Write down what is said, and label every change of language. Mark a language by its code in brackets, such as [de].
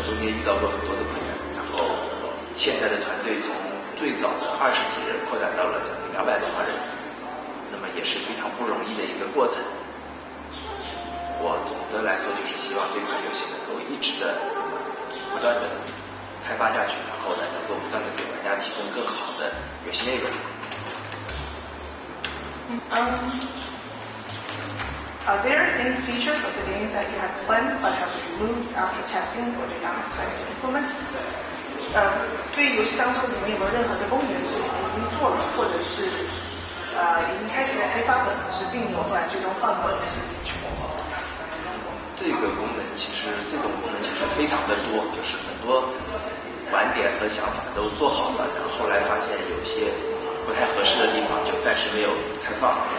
[zh] 中间遇到过很多的困难，然后现在的团队从最早的20几人扩展到了将近200多号人，那么也是非常不容易的一个过程。我总的来说就是希望这款游戏能够一直的不断的开发下去，然后呢能够不断的给玩家提供更好的游戏内容。 [en] Are there any features of the game that you have planned but have removed after testing or did not have time to implement? [zh] 对游戏当中里面有没有任何的功能是已经做了，或者是已经开始在开发的，可是并没有后来最终放到游戏里去？这种功能其实非常的多，就是很多玩点和想法都做好了，然后后来发现有些不太合适的地方就暂时没有开放。